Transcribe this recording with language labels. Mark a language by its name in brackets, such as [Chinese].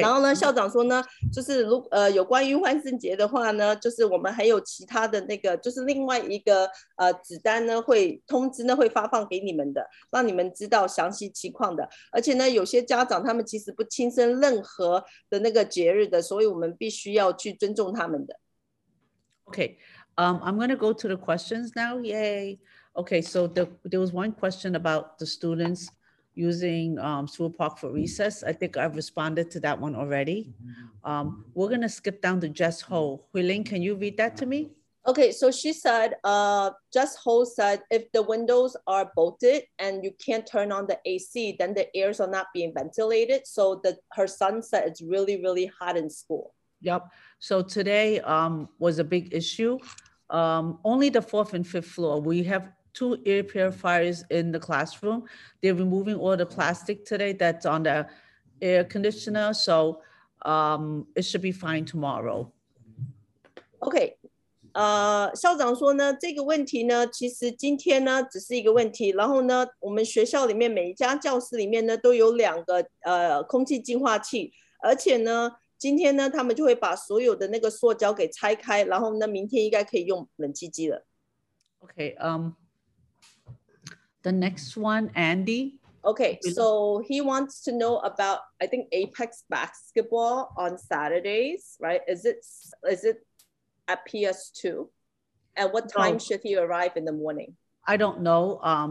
[Chinese] 然后呢，校长说呢，就是如有关于万圣节的话呢，就是我们还有其他的那个，就是另外一个纸单呢，会通知呢会发放给你们的，让你们知道详细情况的。而且呢，有些家长他们其实不亲身任何的那个节日的，所以我们必须要去尊重他们的。 [English] Okay, I'm gonna go to the questions now. Yay. Okay, so there was one question about the students. Using Seward Park for recess. I think I've responded to that one already. We're gonna skip down to Jess Ho. Huiling, can you read that to me? Okay, so she said, Jess Ho said, if the windows are bolted and you can't turn on the AC, then the airs are not being ventilated. So her son said it's really, really hot in school. Yep, so today was a big issue. Only the fourth and fifth floor, we have two air purifiers in the classroom. They're removing all the plastic today that's on the air conditioner. So it should be fine tomorrow. [Chinese] OK， 校长说呢，这个问题呢，其实今天呢只是一个问题。然后呢，我们学校里面每一家教室里面呢都有两个空气净化器，而且呢，今天呢他们就会把所有的那个塑胶给拆开，然后呢明天应该可以用冷气机了。 [English] OK， the next one, Andy. Okay, so he wants to know about, I think, Apex basketball on Saturdays, right? Is it at PS2? At what time should he arrive in the morning? I don't know.